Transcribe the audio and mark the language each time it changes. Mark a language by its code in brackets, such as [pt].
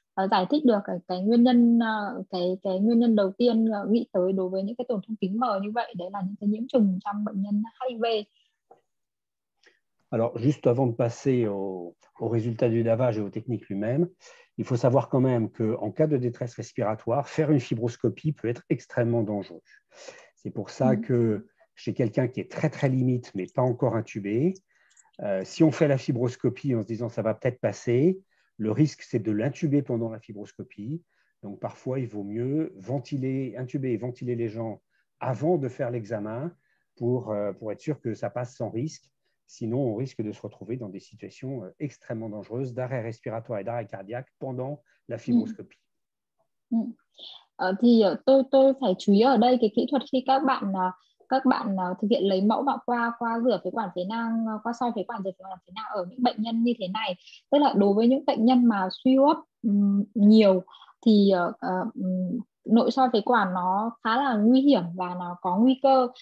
[vi] giải thích được cái nguyên nhân, cái nguyên nhân đầu tiên nghĩ tới đối với những cái tổn thương kính mờ như vậy, đấy là những cái nhiễm trùng trong bệnh nhân HIV. [fr] Alors, juste avant de passer au résultat du lavage et aux techniques lui-même, il faut savoir quand même qu'en cas de détresse respiratoire, faire une fibroscopie peut être extrêmement dangereux. C'est pour ça que chez quelqu'un qui est très, très limite, mais pas encore intubé, si on fait la fibroscopie en se disant « ça va peut-être passer », le risque, c'est de l'intuber pendant la fibroscopie. Donc, parfois, il vaut mieux intuber et ventiler les gens avant de faire l'examen pour être sûr que ça passe sans risque. Sinon, on risque de se retrouver dans des situations extrêmement dangereuses d'arrêt respiratoire et d'arrêt cardiaque pendant la fibroscopie. [vi] Thì tôi phải chú ý ở đây cái kỹ thuật khi các bạn thực hiện lấy mẫu và qua rửa phế quản phế nang, qua soi phế quản rửa phế quản phế nang ở những bệnh nhân như thế này. Tức là đối với những bệnh nhân mà suy hô hấp nhiều thì nội soi phế quản nó khá là nguy hiểm và nó có nguy cơ.